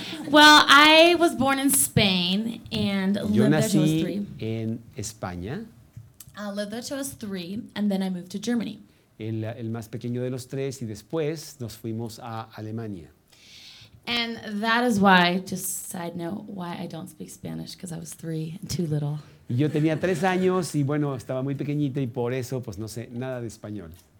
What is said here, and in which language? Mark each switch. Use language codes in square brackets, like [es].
[en] Well, I was born in Spain and [es] yo [en] lived [es] nací [en] there till I was 3. [es] En España. [en] I lived there till I was 3, and then I moved to Germany. [es] El más pequeño de los tres, y después nos fuimos a Alemania. [en] And that is why, just side note, why I don't speak Spanish, because I was 3 and too little. [es] Y yo tenía 3 años y bueno, estaba muy pequeñita y por eso pues no sé nada de español.